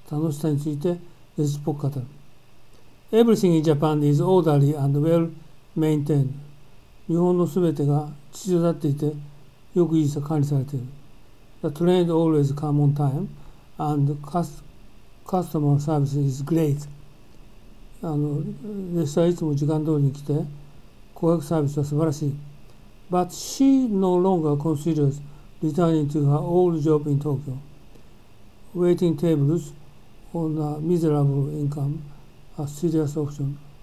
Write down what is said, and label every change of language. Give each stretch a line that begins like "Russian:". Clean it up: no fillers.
Japanese: 楽しさについて熱っぽく語る。
English: Everything in Japan is orderly and well maintained.
Japanese: 日本のすべてが秩序だっていてよく維持され管理されている。
English: The train always come on time and customer service is great.
Japanese: 列車はいつも時間通りに来て、顧客サービスは素晴らしい。
English: But she no longer considers returning to her old job in Tokyo. Waiting tables on a miserable income a serious option.